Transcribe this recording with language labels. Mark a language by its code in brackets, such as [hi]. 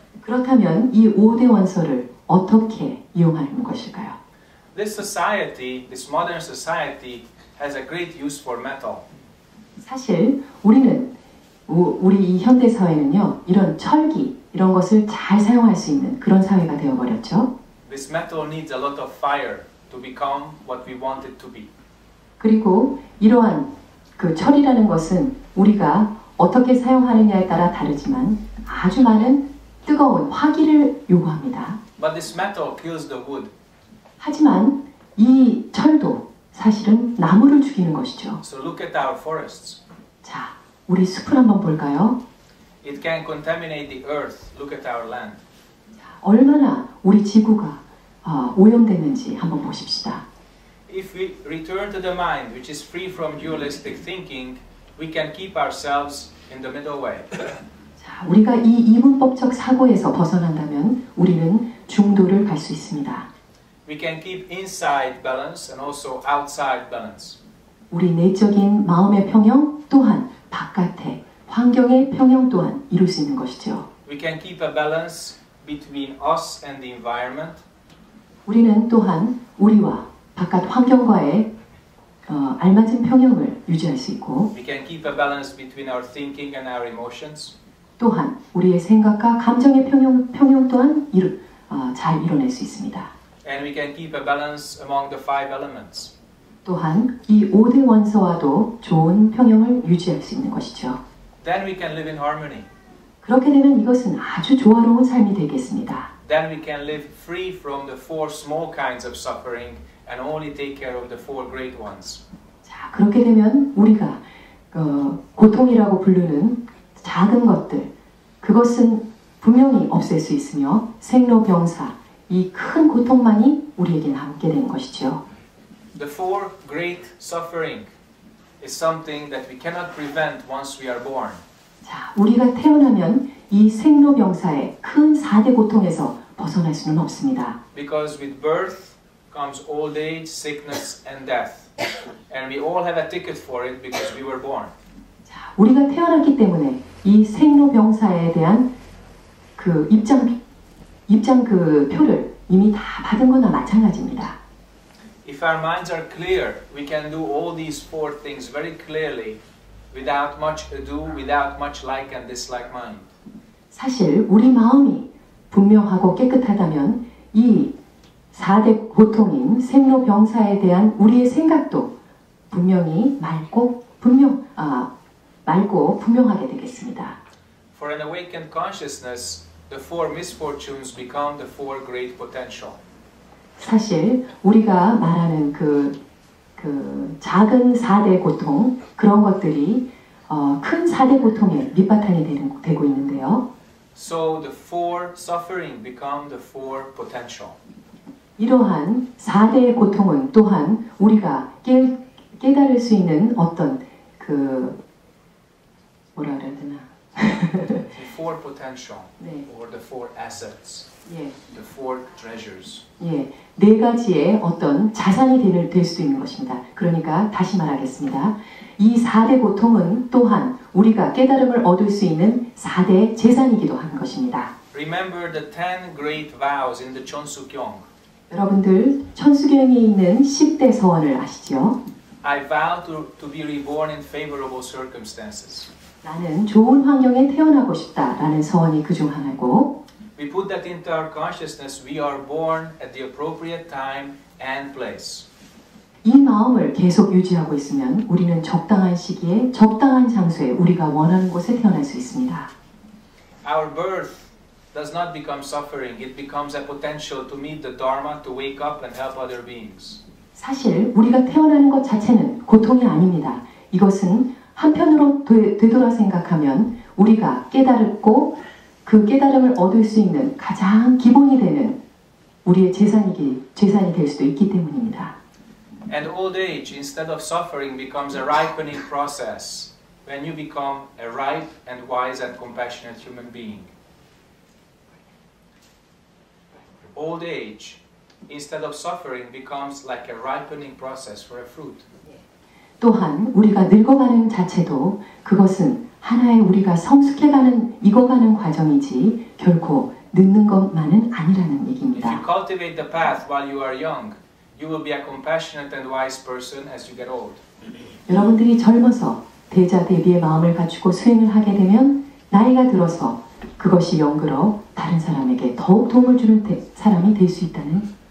[ko] 그렇다면 이 5대 원소를 어떻게 이용하는 것일까요? [en] This society, this modern society, has a great use for metal. [ko] 사실 우리는 우리 이 현대 사회는요 이런 철기 이런 것을 잘 사용할 수 있는 그런 사회가 되어 버렸죠. [en] This metal needs a lot of fire to become what we want it to be. [ko] 그리고 이러한 그 철이라는 것은 우리가 어떻게 사용하느냐에 따라 다르지만 아주 많은 뜨거운 화기를 요구합니다. [en] But this metal kills the wood. [ko] 하지만 이 철도 사실은 나무를 죽이는 것이죠. [en] So look at our forests. [ko] 자, 우리 숲을 한번 볼까요? [en] It can contaminate the earth. Look at our land. [ko] 얼마나 우리 지구가 오염됐는지 한번 보십시다. [en] If we return to the mind which is free from dualistic thinking, we can keep ourselves in the middle way. [ko] 자, 우리가 이 이분법적 사고에서 벗어난다면 우리는 중도를 갈 수 있습니다. [en] We can keep inside balance and also outside balance. [ko] 우리 내적인 마음의 평형 또한 바깥의 환경의 평형 또한 이룰 수 있는 것이죠. [en] We can keep a balance between us and the environment. [ko] 우리는 또한 우리와 바깥 환경과의 알맞은 평형을 유지할 수 있고 [en] We can keep a balance between our thinking and our emotions. [ko] 또한 우리의 생각과 감정의 평형 또한 잘 이뤄낼 수 있습니다. [en] And we can keep a balance among the five elements. [ko] 또한 이 5대 원소와도 좋은 평형을 유지할 수 있는 것이죠. [en] Then we can live in harmony. [ko] 그렇게 되면 이것은 아주 조화로운 삶이 되겠습니다. [en] Then we can live free from the four small kinds of suffering and only take care of the four great ones. [ko] 자, 그렇게 되면 우리가 고통이라고 부르는 작은 것들 그것은 분명히 없앨 수 있으며 생로병사 이 큰 고통만이 우리에게 남게 된 것이죠. [en] The four great suffering is something that we cannot prevent once we are born. [ko] 자, 우리가 태어나면 이 생로병사의 큰 4대 고통에서 벗어날 수는 없습니다. [en] Because with birth comes old age, sickness and death. And we all have a ticket for it because we were born. [ko] 자, 우리가 태어났기 때문에 이 생로병사에 대한 그 입장 그 표를 이미 다 받은 거나 마찬가지입니다. [en] If our minds are clear, we can do all these four things very clearly without much ado, without much like and dislike mind. [ko] 사실 우리 마음이 분명하고 깨끗하다면 이 4대 고통인 생로병사에 대한 우리의 생각도 분명히 맑고 분명 맑고 분명하게 되겠습니다. [en] For an awakened consciousness, the four misfortunes become the four great potential. [ko] 사실 우리가 말하는 그 작은 4대 고통 그런 것들이 큰 4대 고통의 밑바탕이 되고 있는데요. [en] So the four suffering become the four potential. [ko] 이러한 4대의 고통은 또한 우리가 깨달을 수 있는 어떤 그 뭐라 그래야 되나? [en] The four potential, [ko] 네. [en] Or the four assets, [ko] 예. [en] The four treasures. [ko] 예, 네 가지의 어떤 자산이 될 수도 있는 것입니다. 그러니까 다시 말하겠습니다. 이 4대 고통은 또한 우리가 깨달음을 얻을 수 있는 4대 재산이기도 한 것입니다. [en] Remember the 10 great vows in the Chonsukyong. [ko] 여러분들 천수경에 있는 10대 서원을 아시죠? [en] I vow to be reborn in favorable circumstances. [ko] 나는 좋은 환경에 태어나고 싶다라는 서원이 그중 하나고. [en] We put that into our consciousness. We are born at the appropriate time and place. [ko] 이 마음을 계속 유지하고 있으면 우리는 적당한 시기에 적당한 장소에 우리가 원하는 곳에 태어날 수 있습니다. [en] Our birth does not become suffering. It becomes a potential to meet the Dharma, to wake up and help other beings. [ko] 사실 우리가 태어나는 것 자체는 고통이 아닙니다. 이것은 한편으로 되돌아 생각하면 우리가 깨달았고 그 깨달음을 얻을 수 있는 가장 기본이 되는 우리의 재산이 될 수도 있기 때문입니다. [en] And old age, instead of suffering, becomes a ripening process when you become a ripe and wise and compassionate human being. Old age, instead of suffering, becomes like a ripening process for a fruit. [ko] 또한 우리가 늙어가는 자체도 그것은 하나의 우리가 성숙해가는 익어가는 과정이지 결코 늦는 것만은 아니라는 얘기입니다. [en] If you cultivate the path while you are young, you will be a compassionate and wise person as you get old. [ko] 여러분들이 젊어서 대자 대비의 마음을 갖추고 수행을 하게 되면 나이가 들어서 그것이 영그러 다른 사람에게 더욱 도움을 주는 사람이 될 수 있다는